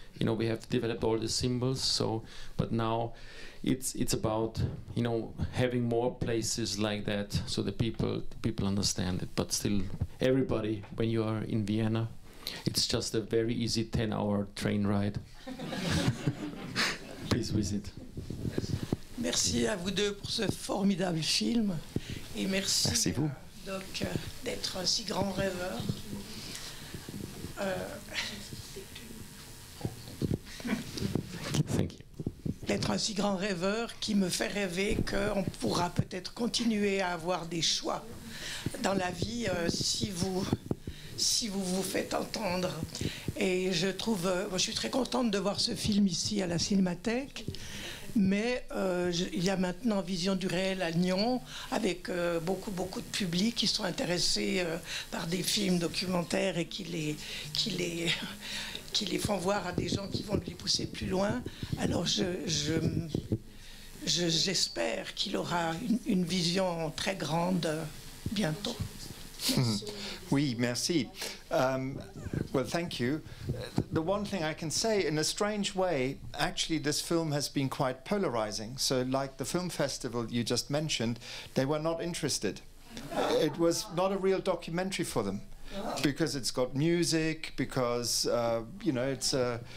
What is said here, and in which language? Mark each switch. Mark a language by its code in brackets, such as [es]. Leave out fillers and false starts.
[en] You know, we have developed all the symbols. So, but now, it's about, you know, having more places like that so that people understand it. But still, everybody, when you are in Vienna, it's just a very easy 10-hour train ride. Please visit. [fr] Merci à vous deux pour ce formidable film. Et merci, merci vous. Doc, d'être un si grand rêveur. [en] Thank you. [fr] D'être un si grand rêveur qui me fait rêver qu'on pourra peut-être continuer à avoir des choix dans la vie si vous vous faites entendre. Et je trouve, moi, je suis très contente de voir ce film ici à la Cinémathèque, mais il y a maintenant Vision du réel à Lyon avec beaucoup de publics qui sont intéressés par des films documentaires et qui les font voir à des gens qui vont les pousser plus loin. Alors j'espère qu'il aura une vision très grande bientôt. Merci. Oui, merci. [en] Well, thank you. The one thing I can say, in a strange way, actually this film has been quite polarizing. So like the film festival you just mentioned, they were not interested. It was not a real documentary for them. Because it's got music, because you know, it's a